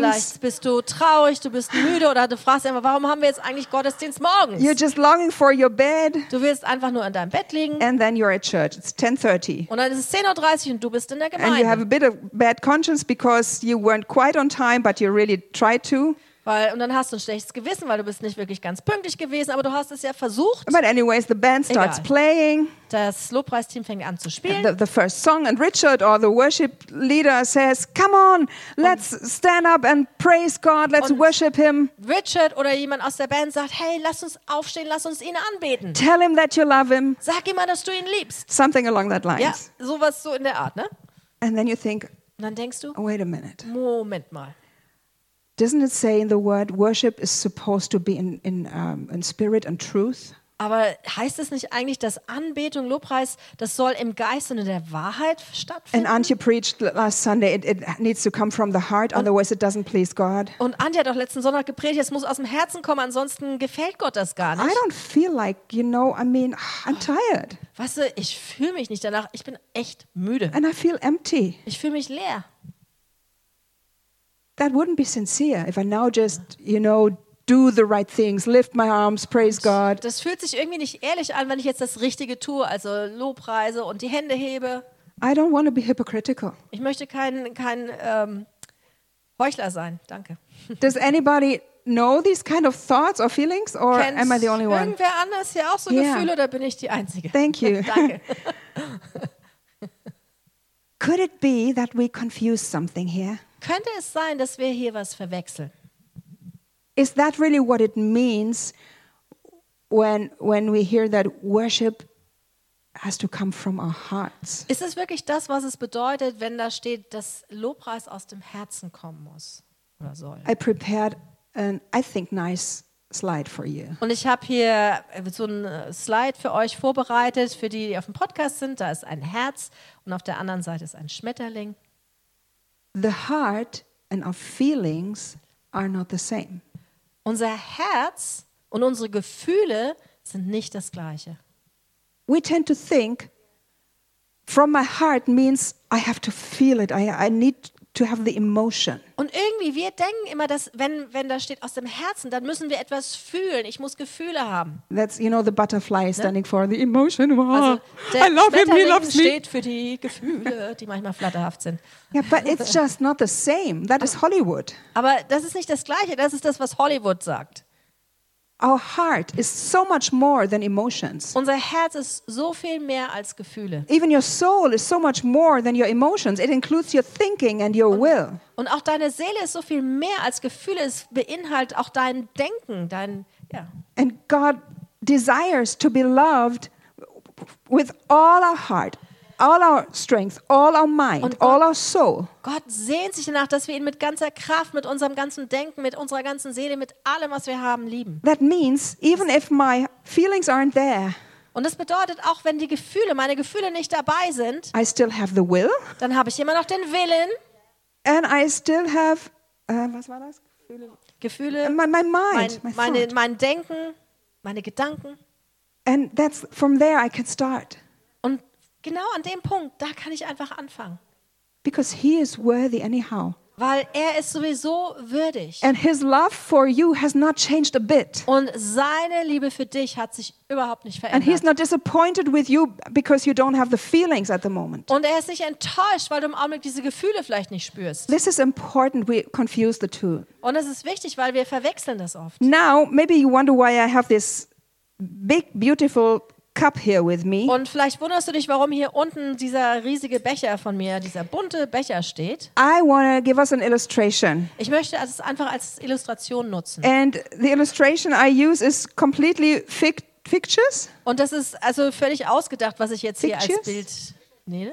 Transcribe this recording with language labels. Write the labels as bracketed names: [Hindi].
[German] Vielleicht bist du traurig, du bist müde oder du fragst einfach, warum haben wir jetzt eigentlich Gottesdienst morgens? [English] You're just longing for your bed. [German] Du willst einfach nur in deinem Bett liegen. [English] And then you're at church. It's 10:30. [German] Und dann ist es 10:30 und du bist in der Gemeinde. [English] And you have a bit of bad conscience because you weren't quite on time, but you really tried to. [German] Und dann hast du ein schlechtes Gewissen, weil du bist nicht wirklich ganz pünktlich gewesen, aber du hast es ja versucht. [English] But anyways, the band starts playing. [German] Das Lobpreisteam fängt an zu spielen. [English] The first song, and Richard or the worship leader says, come on, let's stand up and praise God, let's worship him. [German] Richard oder jemand aus der Band sagt, hey, lass uns aufstehen, lass uns ihn anbeten. [English] Tell him that you love him. [German] Sag ihm mal, dass du ihn liebst. [English] Something along that lines. [German] Ja, sowas so in der Art, ne? [English] And then you think, [German] und dann denkst du, [English] oh, wait a minute. [German] Moment mal. [English] Doesn't it say in the word worship is supposed to be in spirit and truth? [German] Aber heißt es nicht eigentlich, dass Anbetung, Lobpreis, das soll im Geist und in der Wahrheit stattfinden? [English] And Antje preached last Sunday, it needs to come from the heart, otherwise it doesn't please God. [German] Und Antje hat auch letzten Sonntag gepredigt, es muss aus dem Herzen kommen, ansonsten gefällt Gott das gar nicht. [English] I don't feel like, you know, I mean, I'm tired. [German] Weißt du, ich fühle mich nicht danach, ich bin echt müde. [English] And I feel empty. [German] Ich fühle mich leer. [English] That wouldn't be sincere if I now just, you know, do the right things, lift my arms, praise God. [German] Das fühlt sich irgendwie nicht ehrlich an, wenn ich jetzt das Richtige tue, also Lobpreise und die Hände hebe. [English] I don't want to be hypocritical. [German] Ich möchte kein Heuchler sein. Danke. [English] Does anybody know these kind of thoughts or feelings, or am I the only one? [German] Kennt irgendwer anders hier auch so Gefühle, oder bin ich die Einzige? [English] Thank you. [German] Danke. [English] Could it be that we confuse something here? [German] Könnte es sein, dass wir hier was verwechseln? [English] Is that really what it means when we hear that worship has to come from our hearts? [German] Ist es wirklich das, was es bedeutet, wenn da steht, dass Lobpreis aus dem Herzen kommen muss oder soll? [English] I prepared an, I think, nice slide for you. [German] Und ich habe hier so ein Slide für euch vorbereitet, für die, die auf dem Podcast sind. Da ist ein Herz und auf der anderen Seite ist ein Schmetterling. [English] The heart and our feelings are not the same. [German] Unser Herz und unsere Gefühle sind nicht das Gleiche. [English] We tend to think, from my heart means I have to feel it. I need to have the emotion. [German] Und irgendwie wir denken immer, dass wenn da steht aus dem Herzen, dann müssen wir etwas fühlen. Ich muss Gefühle haben. [English] That's, you know, the butterfly standing, ne? For the emotion. Wow. [German] Also, der [English] I love him, he loves me. [German] Steht für die Gefühle, die manchmal flatterhaft sind. [English] Yeah, but it's just not the same. That is Hollywood. [German] Aber das ist nicht das Gleiche. Das ist das, was Hollywood sagt. [English] Our heart is so much more than emotions. [German] Unser Herz ist so viel mehr als Gefühle. [English] Even your soul is so much more than your emotions. It includes your thinking and your will. [German] Und auch deine Seele ist so viel mehr als Gefühle. Es beinhaltet auch dein Denken, dein ja. [English] And God desires to be loved with all our heart, all our strength, all our mind, Gott, all our soul. [German] Gott sehnt sich danach, dass wir ihn mit ganzer Kraft, mit unserem ganzen Denken, mit unserer ganzen Seele, mit allem, was wir haben, lieben. [English] That means, even if my feelings aren't there. [German] Und das bedeutet auch, wenn die Gefühle, meine Gefühle nicht dabei sind. [English] I still have the will. [German] Dann habe ich immer noch den Willen. [English] And I still have, [German] was war das? Gefühle. [English] My mind. [German] Mein Denken, meine Gedanken. [English] And that's from there I can start. [German] Genau an dem Punkt, da kann ich einfach anfangen. [English] Because he is worthy anyhow. [German] Weil er ist sowieso würdig. [English] And his love for you has not changed a bit. [German] Und seine Liebe für dich hat sich überhaupt nicht verändert. [English] And he's not disappointed with you because you don't have the feelings at the moment. [German] Und er ist nicht enttäuscht, weil du im Augenblick diese Gefühle vielleicht nicht spürst. [English] This is important, we confuse the two. [German] Und es ist wichtig, weil wir verwechseln das oft. [English] Now maybe you wonder why I have this big beautiful cup here with me. [German] Und vielleicht wunderst du dich, warum hier unten dieser riesige Becher von mir, dieser bunte Becher steht. [English] I want to give us an illustration. [German] Ich möchte es einfach als Illustration nutzen. [English] And the illustration I use is completely fictitious. [German] Und das ist also völlig ausgedacht, was ich jetzt fictitious? Hier als Bild nehme.